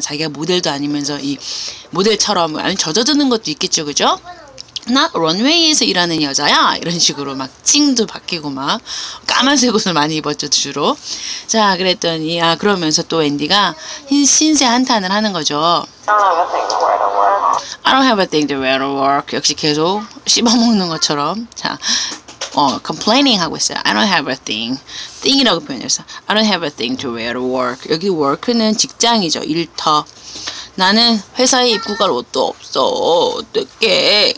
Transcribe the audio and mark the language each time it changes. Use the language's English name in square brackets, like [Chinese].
[Korean] 자기가 모델도 아니면서 이 모델처럼 아니 젖어드는 것도 있겠죠. 그죠? 나 런웨이에서 일하는 여자야. 이런 식으로 막 찡도 바뀌고 막 까만색 옷을 많이 입었죠. 주로. 자, 그랬더니 아 그러면서 또 앤디가 신세 한탄을 하는 거죠. [English] I don't have a thing to wear to work. [Korean] 역시 계속 씹어먹는 것처럼. [English] 자, complaining [Korean] 하고 있어요. [English] I don't have a thing. thing이라고 [Korean] 표현해서 [English] I don't have a thing to wear to work. [Korean] 여기 work는 직장이죠. 일터. 나는 회사에 입고 갈 옷도 없어. 어떡해.